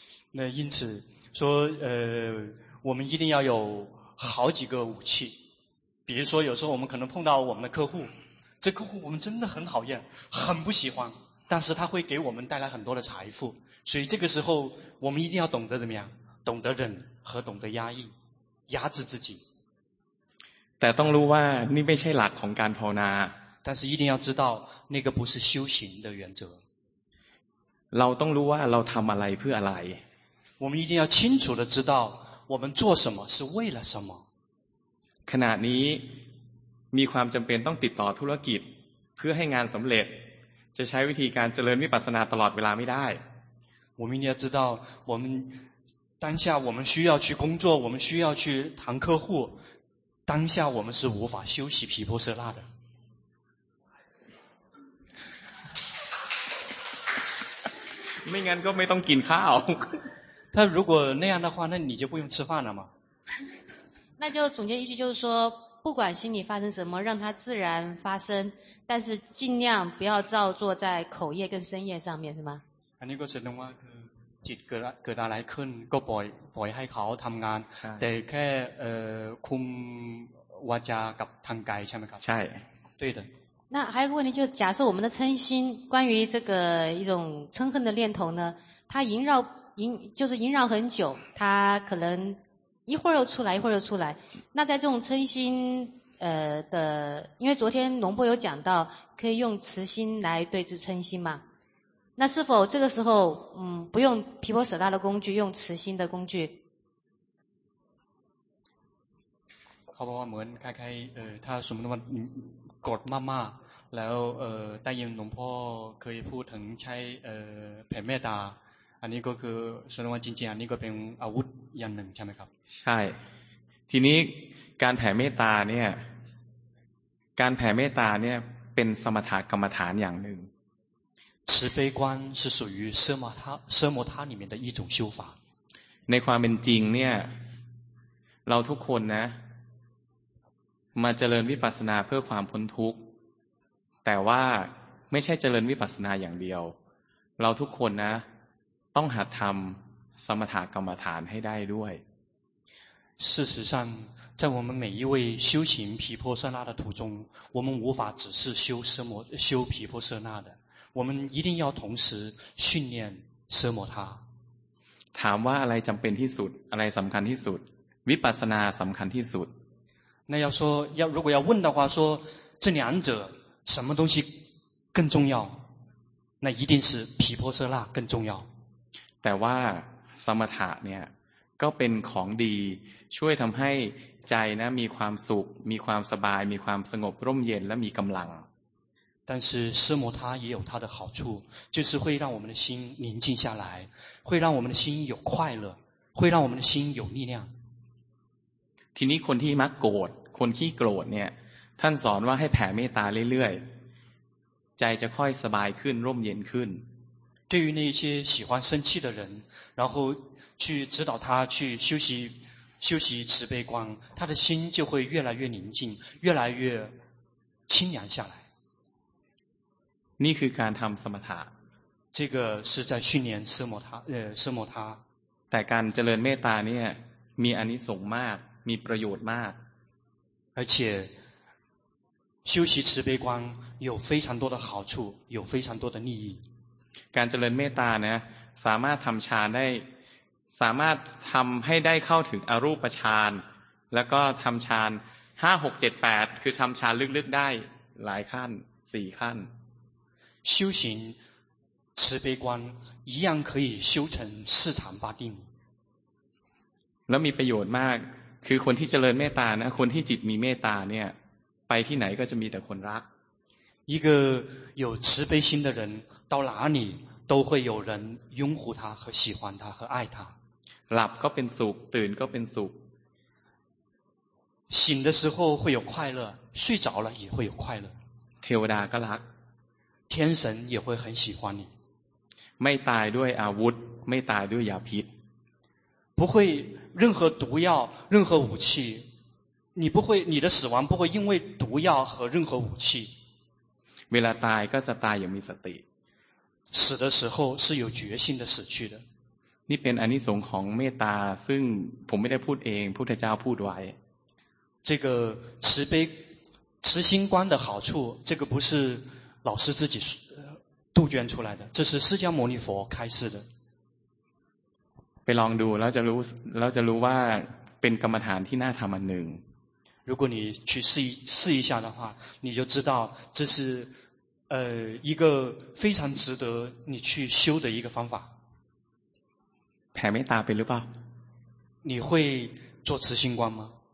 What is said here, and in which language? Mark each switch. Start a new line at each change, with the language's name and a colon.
Chinese: 那因此说我们一定要有好几个武器比如说有时候我们可能碰到我们的客户这客户我们真的很讨厌很不喜欢但是他会给我们带来很多的财富所以这个时候我们一定要懂得怎么样懂得忍和懂得压抑压制自己
Thai: แต่ต้องรู้ว่านี่ไม่ใช่หลักของการภาวนา
Chinese: 但是一定要知道那个不是修行的原则
Thai: เราต้องรู้ว่าเราทำอะไรเพื่ออะไร
Chinese: 我们一定要清楚的知道我们做什么是为了什么
Thai: ขณะนี้มีความจำเป็นต้องติดต่อธุรกิจเพื่อให้งานสำเร็จจะใช้วิธีการเจริญวิปัสสนาตลอดเวลาไม่ได้
Chinese: 我们要知道，我们当下我们需要去工作，我们需要去谈客户，当下我们是无法休息毗婆舍那的。
Thai: ไม่งั้นก็ไม่ต้องกินข้าว。
Chinese: 他如果那样的话，那你就不用吃饭了吗？那就总结一句，就是说，不管心里发生什么，让它自然发生，但是尽量不要造作在口业跟身业上面，是吗？
Thai: อันนี้ก็แสดงว่าคือจิตเกิดอะไรขึ้นก็ปล่อยให้เขาทำงานแต่แค่คุมวาจากับทางกายใช่ไหมครับ ใช่ใ ช่的
Chinese: 那还有个问题就假设我们的嗔心关于这个一种嗔恨的念头呢它萦绕很久它可能一会儿又出来一会儿又出来那在这种嗔心的因为昨天龙波有讲到可以用慈心来对治嗔心嘛那是否这个时候不用毗婆舍那的工具用慈心的工具好不好
Thai: เหมือนคล้ายๆถ้าสมมุติว่ากดมากๆแล้วได้ยินหลวงพ่อเคยพูดถึงใช้แผ่เมตตาอันนี้ก็คือสมมุติว่าจริงๆอันนี้ก็เป็นอาวุธอย่างหนึ่งใช่ไหมครับ ใช่ทีนี้การแผ่เมตตาเนี่ยการแผ่เมตตาเนี่ยเป็นสมถกรรมฐานอย่างหนึ่ง
Chinese: 慈悲观是属于奢摩他里面的一种修法。
Thai: ในความเป็นจริงเนี่ยเราทุกคนนะมาเจริญวิปัสสนาเพื่อความพ้นทุกข์แต่ว่าไม่ใช่เจริญวิปัสสนาอย่างเดียวเราทุกคนนะต้องหัดทำสมถกรรมฐานให้ได้ด้วย
Chinese: 事实上，在我们每一位修行毗婆舍那的途中，我们无法只是修奢摩、修毗婆舍那的，我们一定要同时训练奢摩他。
Thai: ถามว่าอะไรจำเป็นที่สุด อะไรสำคัญที่สุด วิปัสสนาสำคัญที่สุด
Chinese: 那要说要如果要问的话，说这两者什么东西更重要？那一定是毗婆舍那更重要。
Thai: แต่ว่าสมถะเนี่ยก็เป็นของดีช่วยทำให้ใจนะมีความสุขมีความสบายมีความสงบร่มเย็นและมีกำลัง
Chinese: 但是奢摩他也有他的好处，就是会让我们的心宁静下来，会让我们的心有快乐，会让我们的心有力量。
Thai: ทีนี้คนที่มักโกรธคนที่โกรธเนี่ยท่านสอนว่าให้แผ่เมตตาเรื่อยๆใจจะค่อยสบายขึ้นร่มเย็นขึ้น
Chinese: 对于那些喜欢生气的人，然后去指导他去修习修习慈悲观，他的心就会越来越宁静，越来越清凉下来。
Thai: นี่คือการทำสมถะ
Chinese: 这个是在训练奢摩他奢摩他。
Thai: แต่การเจริญเมตตาเนี่ยมีอานิสงส์มากมีประโยชน์มาก
Chinese: 而且修习慈悲观有非常多的好处，有非常多的利益。
Thai: การเจริญเมตตาเนี่ยสามารถทำฌานได้สามารถทำให้ได้เข้าถึงอรูปฌานแล้วก็ทำฌาน5 6 7 8คือทำฌานลึกๆได้หลายขั้น4ขั้น
Chinese: 修行慈悲观一样可以修成四禅八定
Thai: แล้วมีประโยชน์มากคือคนที่เจริญเมตตานะคนที่จิตมีเมตตาเนี่ยไปที่ไหนก็จะมีแต่คนรัก
Chinese: 一个有慈悲心的人到哪里都会有人拥护他和喜欢他和爱他
Thai: หลับก็เป็นสุขตื่นก็เป็นสุข
Chinese: 醒的时候会有快乐睡着了也会有快乐
Thai: เทวดาก็รัก
Chinese: 天神也会很喜欢你
Thai: ไม่ตายด้วยอาวุธไม่ตายด้วยยาพิษ
Chinese: 不会任何毒药任何武器你不会你的死亡不会因为毒药和任何武器
Thai: เวลาตายก็จะตายอย่างมีสติ
Chinese: 死的时候是有决心的死去的
Thai: นี่เป็นอานิสงส์ของเมตตาซึ่งผมไม่ได้พูดเองพุทธเจ้าพูดไว้
Chinese: 这个慈悲慈心观的好处这个不是老师自己杜鹃出来的这是释迦牟尼佛开示的
Thai: ไปลองดูแล้วจะรู้แล้วจะรู้ว่าเป็นกรรมฐานที่น่าทำอันหนึ่ง
Chinese: 如果你去试一下的话你就知道这是一个非常值得你去修的一个方法
Thai: แผ่เมตตาไปหรือเปล่า
Chinese: 你会做慈心观吗